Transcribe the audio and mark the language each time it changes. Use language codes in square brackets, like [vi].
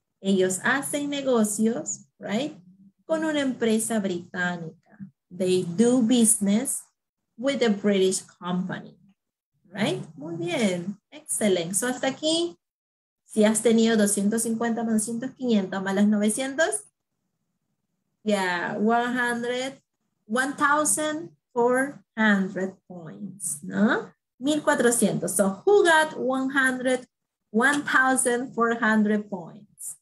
[es] Ellos hacen negocios, [en] right, [es] con una empresa británica. [en] They do business with a British company, right? [es] Muy bien, [en] excellent. [es] So hasta aquí, si has tenido 250 más 200, 500 más las 900. [en] Yeah, 1,400 points, [es] ¿no? [en] 1,400. So who got 1,400 points?